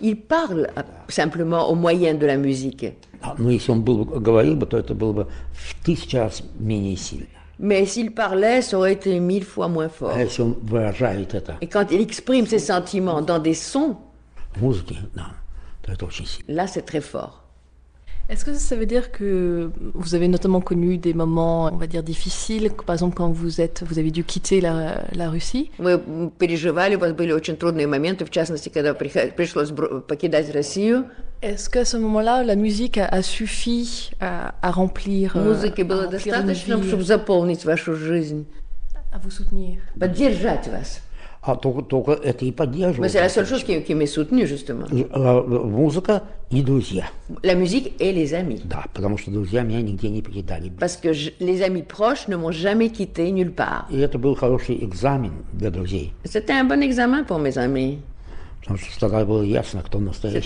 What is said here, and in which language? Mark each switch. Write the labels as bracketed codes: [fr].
[fr] Il parle simplement au moyen de la musique. [ru] Да, но если он был, говорил бы, то это было бы в тысячу раз менее сильно. [fr] Mais s'il parlait, ça aurait été mille fois moins fort. [ru] Если он выражает это. [fr] Et quand il exprime ses sentiments dans des sons. [ru] Музыки, да, то это очень сильно. [fr] Là, c'est très fort. Est-ce que ça veut dire que vous avez notamment connu des moments, on va dire, difficiles, par exemple quand vous avez dû quitter la Russie? [ru] Вы переживали, у вас были очень трудные моменты, в частности, когда пришлось покидать Россию. [fr] Est-ce qu'à ce moment-là, la musique a suffi à remplir? [ru] Музыки было достаточно, чтобы заполнить вашу жизнь. [fr] À vous soutenir. [ru] Поддержать вас. А только это и поддерживает. [fr] Mais c'est la seule chose qui m'est soutenue, justement. [ru] Музыка и друзья. [fr] La musique et les amis. [ru] Да, потому что друзья меня нигде не покидали. [fr] Parce que les amis proches ne m'ont jamais quitté nulle part. [ru] И это был хороший экзамен для друзей. [fr] C'était un bon examen pour mes amis. [ru] Потому что тогда было ясно, кто настоящий.